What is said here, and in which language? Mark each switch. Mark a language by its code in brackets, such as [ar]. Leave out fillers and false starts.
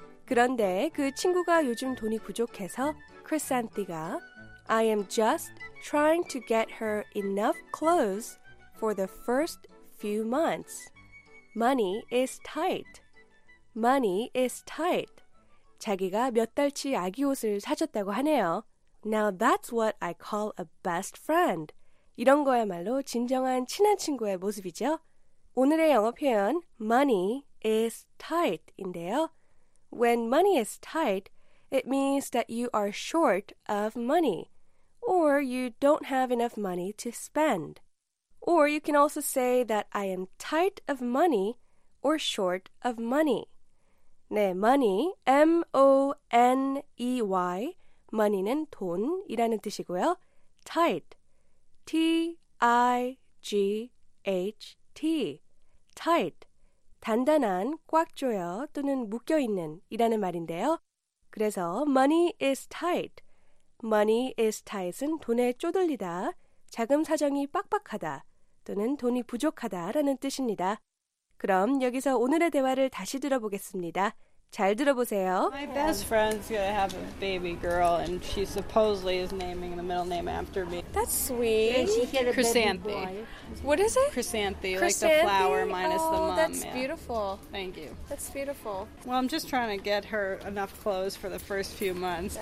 [ko] 그런데 그 친구가 요즘 돈이 부족해서 크리산티가 [en] I am just trying to get her enough clothes for the first few months. Money is tight. Money is tight. [ko] 자기가 몇 달치 아기 옷을 사줬다고 하네요. [en] Now that's what I call a best friend. [ko] 이런 거야말로 진정한 친한 친구의 모습이죠. 오늘의 영어 표현 [en] money is tight [ko] 인데요. [en] When money is tight, it means that you are short of money or you don't have enough money to spend. Or you can also say that I am tight of money or short of money. [ko] 네, money, M-O-N-E-Y, money는 돈이라는 뜻이고요. tight. T-I-G-H-T, tight, 단단한, 꽉 조여 또는 묶여있는 이라는 말인데요. 그래서 [en] money is tight. Money is tight [ko] 은 돈에 쪼들리다, 자금 사정이 빡빡하다 또는 돈이 부족하다라는 뜻입니다. 그럼 여기서 오늘의 대화를 다시 들어보겠습니다. 잘 들어보세요. [en] My best friend's gonna have a baby girl, and she supposedly is naming the middle name after me. That's sweet. Chrysanthi. What is it? Chrysanthi, like the flower minus the mom. Oh, that's beautiful. Thank you. That's beautiful. Well, I'm just trying to get her enough clothes for the first few months.